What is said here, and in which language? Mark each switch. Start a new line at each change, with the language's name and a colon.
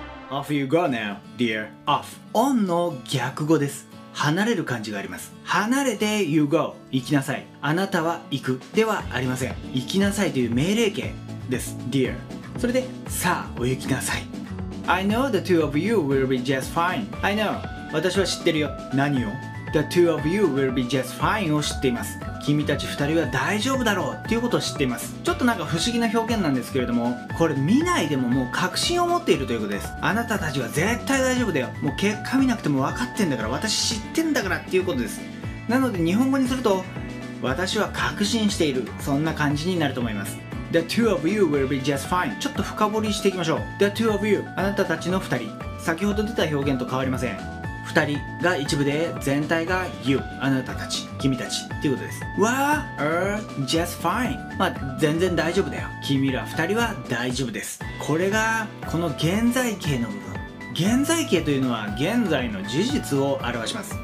English: Off you go now, dear. Off.
Japanese: On の逆語です。離れる感じがあります。離れて
English: you go。
Japanese: 行きなさい。あなたは行くではありません。行きなさいという命令形です。
English: Dear。
Japanese: それで、さあお行きなさい。
English: I know the two of you will be just fine. I know.
Japanese: 私は知ってるよ。何を？
English: The two of you will be just fine
Japanese: を知っています。君たち二人は大丈夫だろうっていうことを知っています。ちょっとなんか不思議な表現なんですけれども、これ見ないでももう確信を持っているということです。あなたたちは絶対大丈夫だよ、もう結果見なくても分かってんだから、私知ってんだからっていうことです。なので日本語にすると、私は確信している、そんな感じになると思います。
English: The two of you will be just fine、
Japanese: ちょっと深掘りしていきましょう。
English: The two of you、
Japanese: あなたたちの二人、先ほど出た表現と変わりません。 2人が一部で、全体が you、 あなたたち、君たちっていうことです。
English: We are just fine、
Japanese: まあ全然大丈夫だよ、君ら2人は大丈夫です。これがこの現在形の部分。現在形というのは現在の事実を表します。